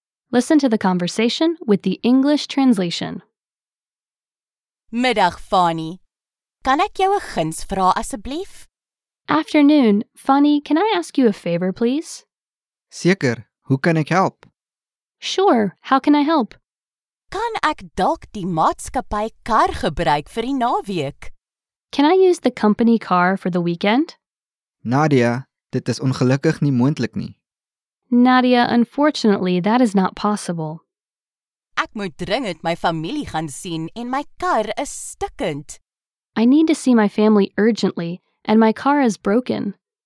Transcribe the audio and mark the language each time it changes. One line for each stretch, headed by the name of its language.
English: Listen to the conversation with the English translation.
Afrikaans: Middag, Fani. Kan ek jou 'n guns vra asseblief?
English: Afternoon, Fani, can I ask you a favor, please?
Afrikaans: Seker, hoe kan ek help?
English: Sure, how can I help?
Afrikaans: Kan ek dalk die maatskappy kar gebruik vir die naweek?
English: Can I use the company car for the weekend?
Afrikaans: Nadia, dit is ongelukkig nie moontlik nie.
English: Nadia, unfortunately, that is not possible.
Afrikaans: Ek moet dringend my familie gaan sien en my kar is stikkend.
English: I need to see my family urgently and my car is broken.